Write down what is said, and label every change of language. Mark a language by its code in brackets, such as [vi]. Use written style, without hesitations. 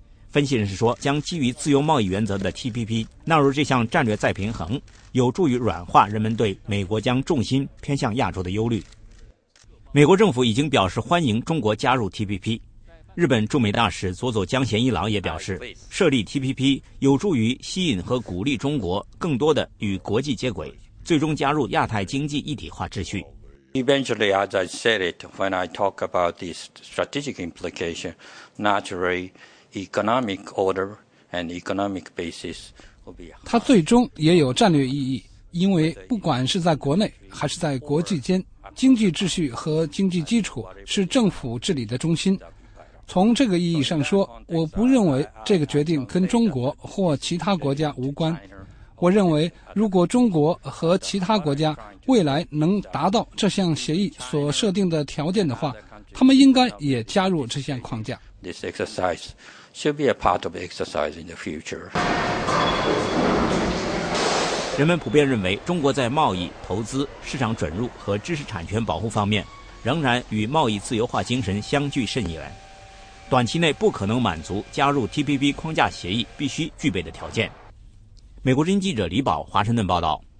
[zh] 分析人士说，将基于自由贸易原则的 TPP 纳入这项战略再平衡，有助于软化人们对美国将重心偏向亚洲的忧虑。美国政府已经表示欢迎中国加入 TPP。日本驻美大使佐佐江贤一郎也表示，设立 TPP 有助于吸引和鼓励中国更多的与国际接轨，最终加入亚太经济一体化秩序。 [en] Eventually, as I said it, when I talk about this strategic implication, naturally, economic order and economic basis will be. [zh] 它最终也有战略意义，因为不管是在国内还是在国际间，经济秩序和经济基础是政府治理的中心。从这个意义上说，我不认为这个决定跟中国或其他国家无关。我认为如果中国和其他国家未来能达到这项协议所设定的条件的话，他们应该也加入这项框架。 [en] This exercise should be a part of the exercise in the future. [zh] 人们普遍认为中国在贸易、投资、市场准入和知识产权保护方面仍然与贸易自由化精神相距甚远，短期内不可能满足加入 TPP 框架协议必须具备的条件。美国之音记者李宝华盛顿报道。